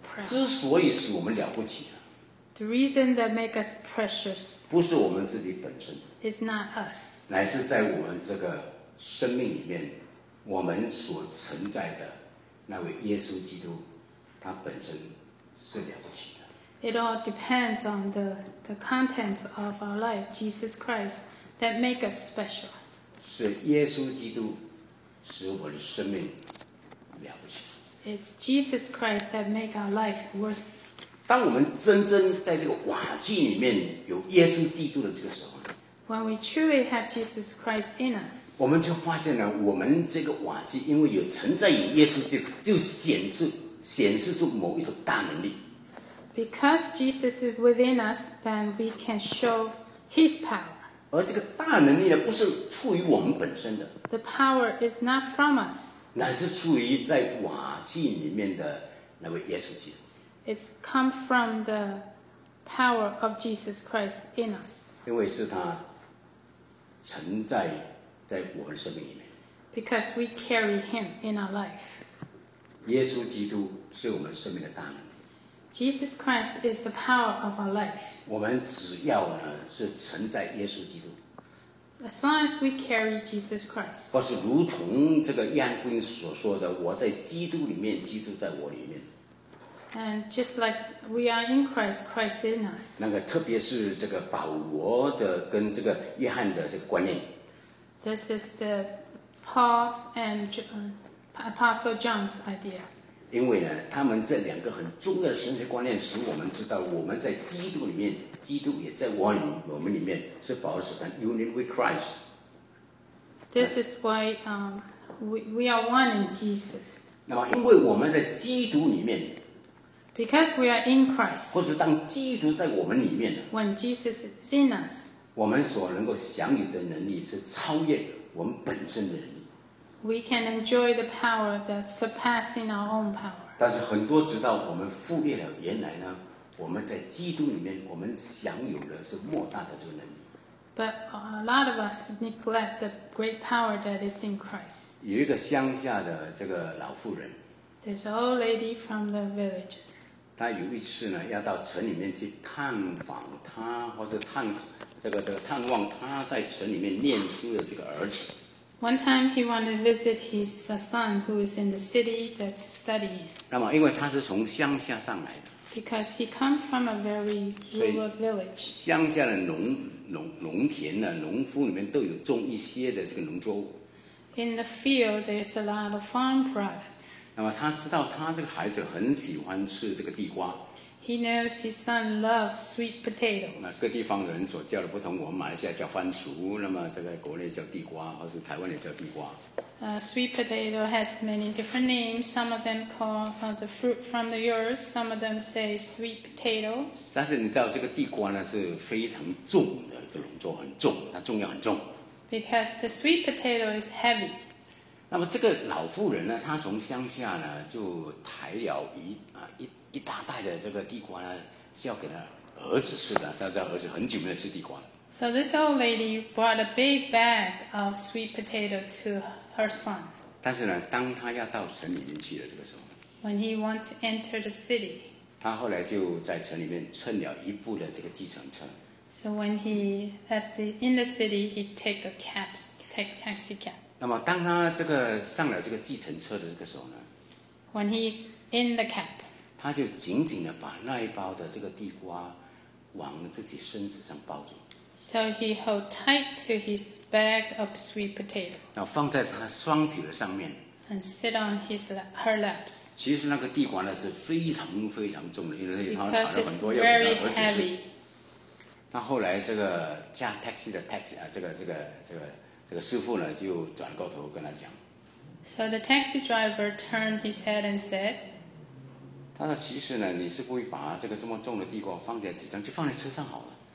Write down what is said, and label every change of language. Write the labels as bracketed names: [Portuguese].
[Chinese] 之所以使我们了不起 [English] The reason that makes us precious [Chinese] 不是我们自己本身 [English] It's not us [Chinese] 乃是在我们这个生命里面我们所存在的那位耶稣基督他本身是了不起的 [English] It all depends on the contents of our life Jesus Christ that makes us special [Chinese] 是耶稣基督使我的生命了不起 [English] It's Jesus Christ that make our life worth. [Chinese] 当我们真正在这个瓦器里面有耶稣基督的这个时候 [English] ，When we truly have Jesus Christ in us， [Chinese] 我们就发现了我们这个瓦器，因为有存在于耶稣基督，就显示出某一种大能力。 [English] Because Jesus is within us, then we can show His power. [Chinese] 而这个大能力呢，不是出于我们本身的。 [English] The power is not from us. [Chinese] 乃是出于在瓦器里面的那位耶稣基督。 [English] It's come from the power of Jesus Christ in us. [Chinese] 因为是他存在在我们生命里面。 [English] Because we carry him in our life. [Chinese] 耶稣基督是我们生命的大能。 [English] Jesus Christ is the power of our life. [Chinese] 我们只要呢是存在耶稣基督。 [English] As long as we carry Jesus Christ. [Chinese] 或是如同这个约翰福音所说的，我在基督里面，基督在我里面。 [English] And just like we are in Christ, Christ in us. [Chinese] 那个特别是这个保罗的跟这个约翰的这个观念。 [English] This is the Paul's and Apostle John's idea. [Chinese] 因为呢，他们这两个很重要的神学观念，使我们知道我们在基督里面，基督也在我们里面，是保守的 [English] union with Christ. This is why we are one in Jesus. [Chinese] 那么，因为我们在基督里面。 [English] Because we are in Christ. [Chinese] 或是当基督在我们里面。 [English] When Jesus is in us. [Chinese] 我们所能够享有的能力是超越我们本身的能力。 [English] We can enjoy the power that's surpassing our own power. [Chinese] 但是很多直到我们忽略了，原来呢，我们在基督里面，我们享有的是莫大的这个能力。 [English] But a lot of us neglect the great power that is in Christ. [Chinese] 有一个乡下的这个老妇人。 [English] There's an old lady from the villages. [Chinese] 她有一次呢，要到城里面去探访她，或是探望她在城里面念书的这个儿子。 [English] One time he wanted to visit his son who is in the city that's studying. [Chinese] 那么，因为他是从乡下上来的。 [English] Because he comes from a very rural village. [Chinese] 乡下的农田呢，农夫里面都有种一些的这个农作物。 [English] In the field, there's a lot of farm products. [Chinese] 那么他知道他这个孩子很喜欢吃这个地瓜。 [English] He knows his son loves sweet potatoes. [Chinese] 那各地方人所叫的不同，我们马来西亚叫番薯，那么这个国内叫地瓜，或是台湾也叫地瓜。 [English] Sweet potato has many different names. Some of them call the fruit from the earth. Some of them say sweet potatoes. [Chinese] 但是你知道这个地瓜呢是非常重的一个农作，很重，它重量很重。 [English] Because the sweet potato is heavy. [Chinese] 那么这个老妇人呢，她从乡下呢就抬了 一大袋的这个地瓜呢，是要给她儿子吃的。她的儿子很久没有吃地瓜。 [English] So this old lady brought a big bag of sweet potato to her son. [Chinese] 但是呢，当她要到城里面去的这个时候 [English] ，When he wants to enter the city， [Chinese] 她后来就在城里面乘了一部的这个计程车。 [English] So when he at the in the city, he take a cab, take taxi cab. [Chinese] 那么当他这个上了这个计程车的这个时候呢 [English] ，When he's in the cab， [Chinese] 他就紧紧的把那一包的这个地瓜往自己身子上抱住。 [English] So he held tight to his bag of sweet potato， [Chinese] 然后放在他双腿的上面 [English] ，and sit on his her laps。 [Chinese] 其实那个地瓜呢是非常非常重的，因为他炒了很多药，而且是。那后来这个驾 taxi 的 taxi 啊，这个师傅呢就转过头跟他讲。 [English] So the taxi driver turned his head and said， [Chinese] 他说其实呢，你是不会把这个这么重的地瓜放在地上，就放在车上好了。